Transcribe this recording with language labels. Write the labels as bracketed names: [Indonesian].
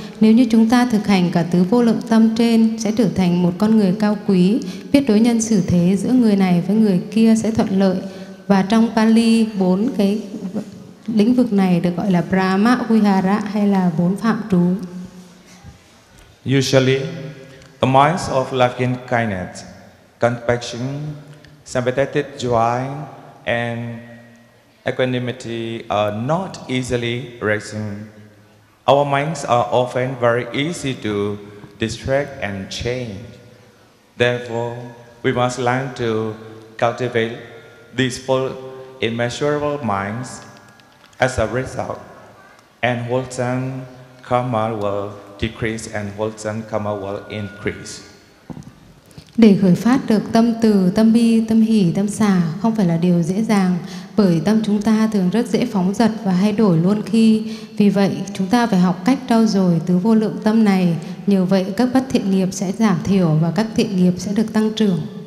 [Vietnamese] Nếu như chúng ta thực hành cả tứ vô lượng tâm trên, sẽ trở thành một con người cao quý, biết đối nhân xử thế giữa người này với người kia sẽ thuận lợi. Và trong Pali, bốn cái lĩnh vực này được gọi là Brahma Vihara hay là bốn phạm trú. [English] Usually, the minds of loving kindness, compassion, sympathetic joy, and equanimity are not easily raising. Our minds are often very easy to distract and change. Therefore, we must learn to cultivate these four immeasurable minds. As a result, and wholesome karma will decrease and wholesome karma will increase. [Vietnamese] Để khởi phát được tâm từ, tâm bi, tâm hỷ, tâm xả không phải là điều dễ dàng, bởi tâm chúng ta thường rất dễ phóng dật và hay đổi luôn khi. Vì vậy, chúng ta phải học cách trau dồi tứ vô lượng tâm này. Nhờ vậy, các bất thiện nghiệp sẽ giảm thiểu và các thiện nghiệp sẽ được tăng trưởng.